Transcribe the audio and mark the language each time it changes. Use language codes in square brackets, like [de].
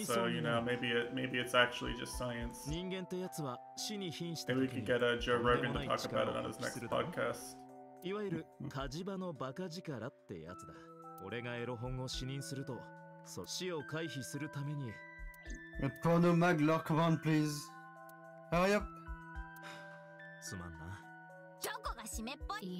[en] So you know, maybe it's actually just science. [ja] 人間ってやつは死に瀕した時に。 [en] Maybe we could get Joe Rogan to talk about it on his next podcast. [ja] いわゆる火事場のバカ力ってやつだ。俺がエロ本を視認すると、そう死を回避するために。 [en] Porno mag lock on please. Hurry up. [ja] すまんな。チョコが締めっぽい。